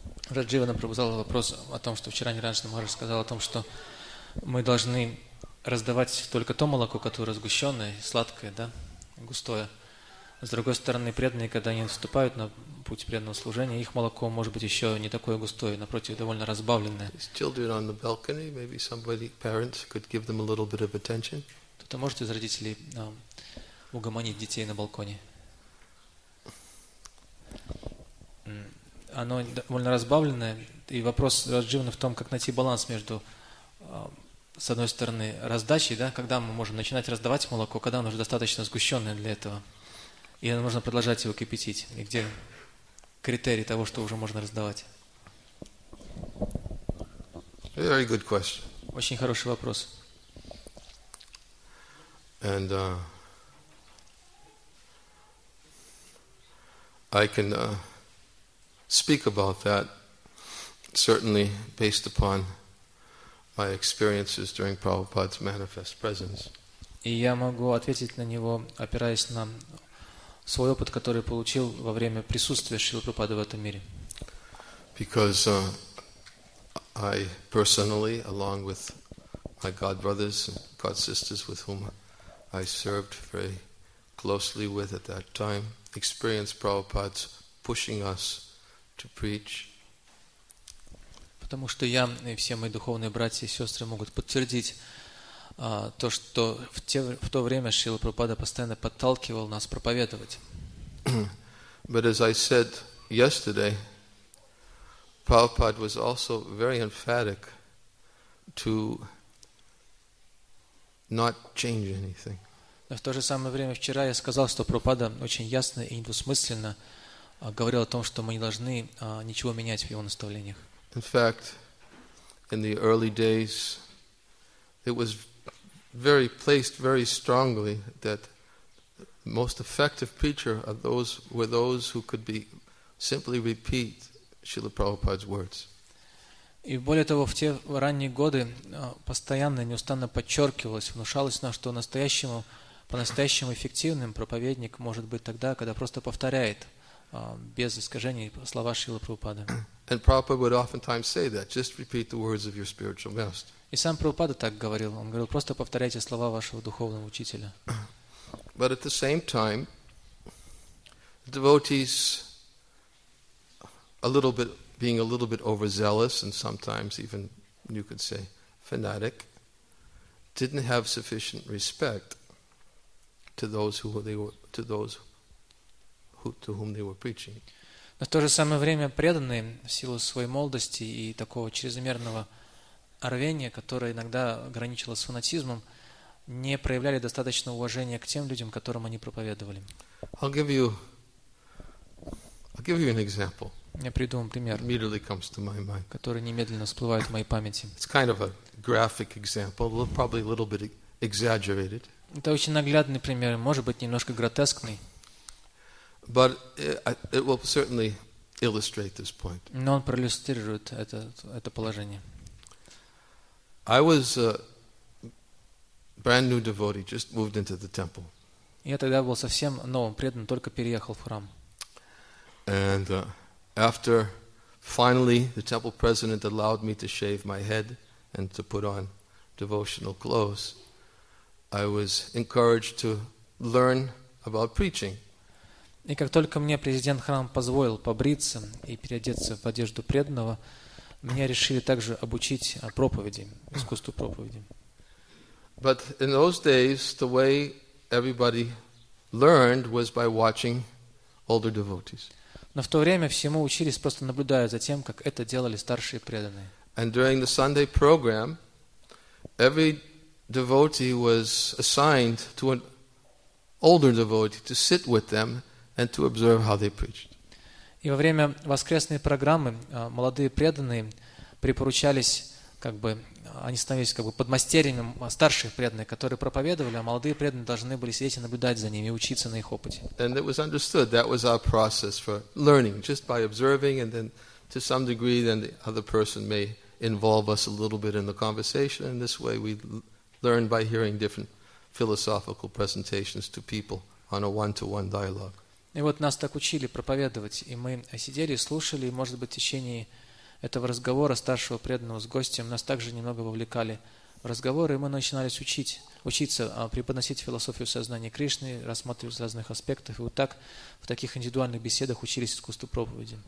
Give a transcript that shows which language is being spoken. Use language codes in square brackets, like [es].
[ru] Радживана пробудила вопрос о том, что вчера Ниранджана Махарадж сказал о том, что мы должны раздавать только то молоко, которое сгущенное, сладкое, да, густое. С другой стороны, преданные, когда они вступают на путь преданного служения, их молоко может быть еще не такое густое, напротив, довольно разбавленное. [en] His children on the balcony, maybe somebody, parents could give them a little bit of attention. [ru] Кто-то может из родителей угомонить детей на балконе. Оно довольно разбавленное, и вопрос Радживана в том, как найти баланс между, с одной стороны, раздачей, да, когда мы можем начинать раздавать молоко, когда оно уже достаточно сгущенное для этого, и нужно продолжать его кипятить, и где критерии того, что уже можно раздавать. [en] Very good question. [ru] Очень хороший вопрос. [en] And I can speak about that, certainly based upon my experiences during Prabhupada's manifest presence. [ru] И я могу ответить на него, опираясь на свой опыт, который получил во время присутствия Шрилы Прабхупады в этом мире. [en] Because I personally, along with my godbrothers and godsisters, with whom I served very closely with at that time experienced Prabhupada's pushing us to preach. [ru] Потому что я и все мои духовные братья и сестры могут подтвердить то, что в то время Шрила Прабхупада постоянно подталкивал нас проповедовать. [en] But as I said yesterday, Prabhupada was also very emphatic to not change anything. [ru] Но в то же самое время вчера я сказал, что Прабхупада очень ясно и недвусмысленно говорил о том, что мы не должны ничего менять в его наставлениях. [en] In fact, in the early days, it was very placed very strongly that most effective preacher of those were those who could be simply repeat Srila Prabhupada's words. [ru] И более того, в те ранние годы постоянно, неустанно подчеркивалось, внушалось нам, что по-настоящему эффективным проповедник может быть тогда, когда просто повторяет без искажений слова Шрилы Прабхупады. [en] And Prabhupada would oftentimes say that, just repeat the words of your spiritual master. [ru] И сам Прабхупада так говорил. Он говорил, просто повторяйте слова вашего духовного учителя. [en] But at the same time, the devotees, being a little bit overzealous and sometimes even, you could say, fanatic, didn't have sufficient respect to whom they were preaching. [ru] Но в то же самое время преданные в силу своей молодости и такого чрезмерного рвения, которое иногда граничило с фанатизмом, не проявляли достаточно уважения к тем людям, которым они проповедовали. [en] I'll give you an example. [ru] Я приведу вам пример, [en] immediately comes to my mind. [ru] Который немедленно всплывает в моей памяти. [en] It's kind of a graphic example, probably a little bit exaggerated. [ru] Это очень наглядный пример, может быть, немножко гротескный. [en] But it will certainly illustrate this point. [ru] Но он проиллюстрирует это положение. [en] I was a brand new devotee, just moved into the temple. [ru] Я тогда был совсем новым преданным, только переехал в храм. [en] And after finally the temple president allowed me to shave my head and to put on devotional clothes, I was encouraged to learn about preaching. [ru] И как только мне президент храма позволил побриться и переодеться в одежду преданного, меня решили также обучить проповеди, искусству проповеди. [en] But in those days, the way everybody learned was by watching older devotees. [ru] Но в то время всему учились, просто наблюдая за тем, как это делали старшие преданные. [en] And during the Sunday program, every devotee was assigned to an older devotee to sit with them and to observe how they preached. [ru] И во время воскресной программы молодые преданные припоручались, как бы они становились как бы подмастерьями старших преданных, которые проповедовали, а молодые преданные должны были сидеть и наблюдать за ними, учиться на их опыте. [en] And it was understood that was our process for learning, just by observing, and then to some degree then the other person may involve us a little bit in the conversation, and this way we learn by hearing different philosophical presentations to people on a one-to-one dialogue. [ru] И вот нас так учили проповедовать, и мы сидели и слушали, и, может быть, в течение этого разговора старшего преданного с гостем нас также немного вовлекали в разговоры, и мы начинали учиться преподносить философию сознания Кришны, рассматривать с разных аспектов, и вот так в таких индивидуальных беседах учились искусству проповеди.